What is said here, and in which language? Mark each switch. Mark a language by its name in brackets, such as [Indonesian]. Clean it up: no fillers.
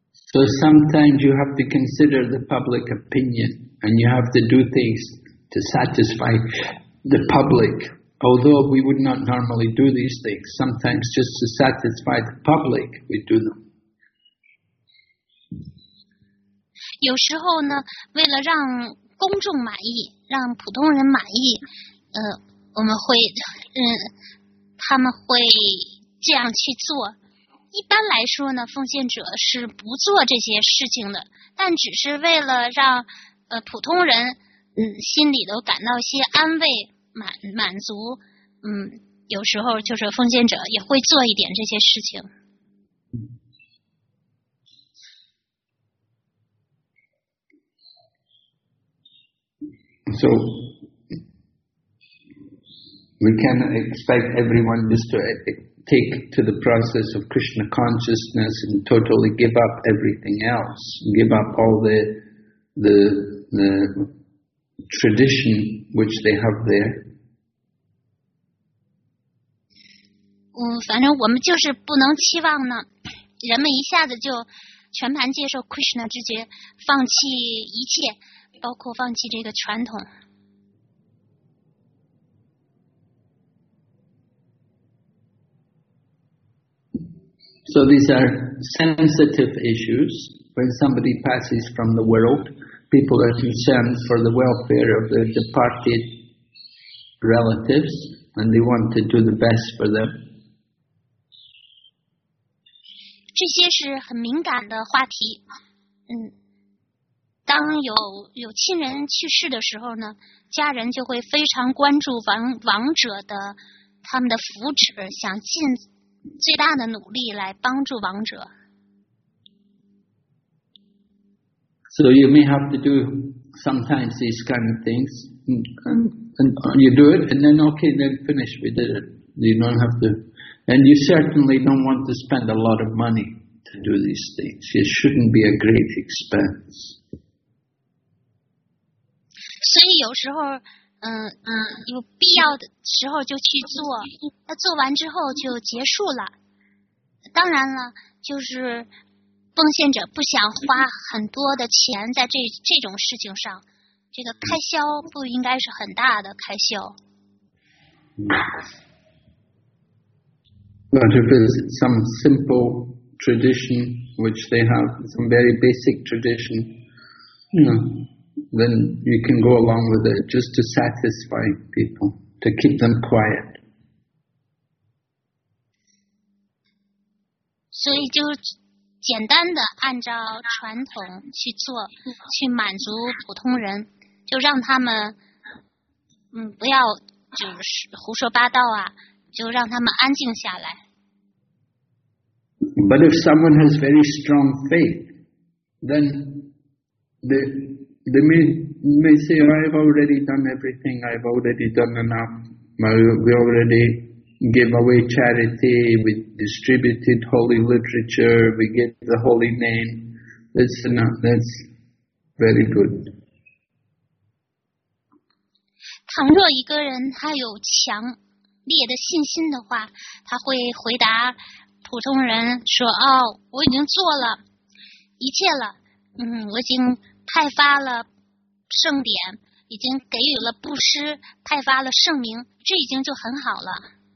[English] So sometimes you have to consider the public opinion, and you have to do things to satisfy the public. Although we would not normally do these things, sometimes just to satisfy the public, we do them. [Chinese] 有时候呢，为了让公众满意，让普通人满意，我们会，他们会这样去做。一般来说呢，奉献者是不做这些事情的，但只是为了让普通人心里都感到些安慰、满足。有时候就是奉献者也会做一点这些事情。 [English] So. We cannot expect everyone just to take to the process of Krishna consciousness and totally give up everything else, give up all the tradition which they have there. [Chinese] 反正我们就是不能期望呢，人们一下子就全盘接受 Krishna 知觉，放弃一切，包括放弃这个传统。 [English] So these are sensitive issues. When somebody passes from the world, people are concerned for the welfare of their departed relatives, and they want to do the best for them. [Chinese] 这些是很敏感的话题。当有亲人去世的时候呢，家人就会非常关注亡者的他们的福祉，想尽最大的努力来帮助亡者。 [English] So you may have to do sometimes these kind of things, and you do it, and then okay, then finish, we did it. You don't have to, and you certainly don't want to spend a lot of money to do these things. It shouldn't be a great expense. [Chinese] 所以有时候有必要的时候就去做，做完之后就结束了。当然了，就是奉献者不想花很多的钱在这种事情上，这个开销不应该是很大的开销。 [English] But if it's some simple tradition which they have, some very basic tradition, then you can go along with it just to satisfy people, to keep them quiet. [Chinese] 所以就简单的按照传统去做，去满足普通人，就让他们不要就是胡说八道啊，就让他们安静下来。 [English] But if someone has very strong faith, then they may say, oh, I've already done everything, I've already done enough, we alreadygive away charity, we distributed holy literature, we give the holy name, that's enough, that's very good. [Chinese] 倘若一个人他有强烈的信心的话，他会回答普通人说，哦，我已经做了一切了，我已经派发了圣典，已经给予了布施，派发了圣名，这已经就很好了。